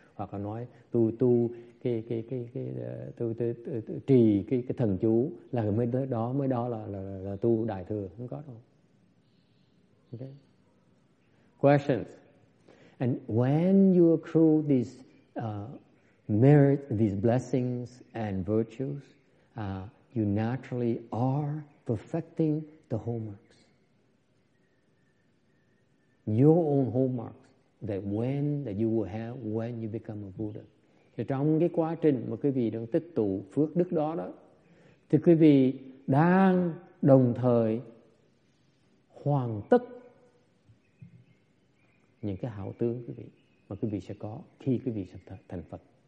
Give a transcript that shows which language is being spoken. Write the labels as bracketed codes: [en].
[vi] Hoặc là nói tu trì cái thần chú là mới đó là tu đại thừa, không có đâu. [en] Okay. Questions. And when you accrue these merit, these blessings and virtues, you naturally are perfecting the hallmarks. Your own hallmarks that you will have when you become a Buddha. [vi] Thì trong cái quá trình mà quý vị đang tích tụ phước đức đó, thì quý vị đang đồng thời hoàn tất những cái hảo tướng quý vị mà quý vị sẽ có khi quý vị sẽ thành Phật.